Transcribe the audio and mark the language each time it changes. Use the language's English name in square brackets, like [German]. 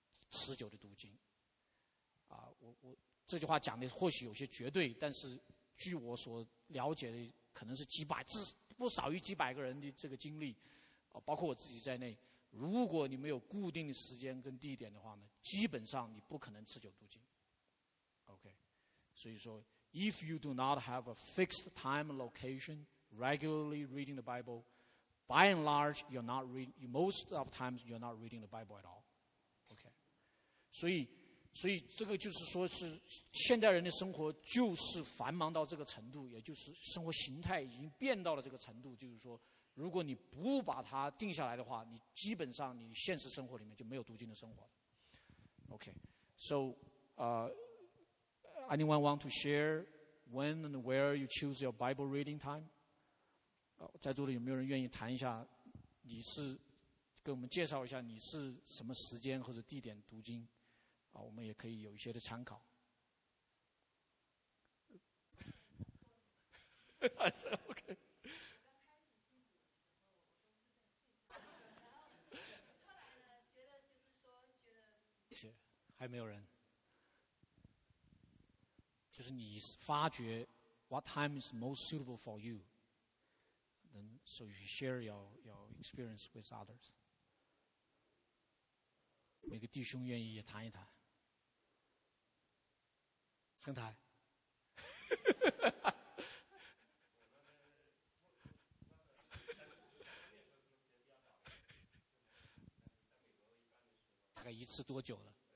[Chinese] 持久的读经我这句话讲的或许有些绝对，但是据我所了解的可能是几百至不少于几百个人的这个经历包括我自己在内，如果你没有固定的时间跟地点的话呢，基本上你不可能持久读经。 [English] OK， [Chinese] 所以说 [English] If you do not have a fixed time and location regularly reading the Bible, by and large you're not reading, most of times you're not reading the Bible at all。 [Chinese] 所以这个就是说是现代人的生活就是繁忙到这个程度，也就是生活形态已经变到了这个程度，就是说如果你不把它定下来的话，你基本上你现实生活里面就没有读经的生活了。 [English] OK， so anyone want to share when and where you choose your Bible reading time？ [Chinese] 在座的有没有人愿意谈一下，你是给我们介绍一下你是什么时间或者地点读经我们也可以有一些的参考。 OK。还没有人。就是你发觉 [English] what time is most suitable for you, then so you share your experience with others. [Chinese] 每个弟兄愿意也谈一谈。生台大概一次多久了？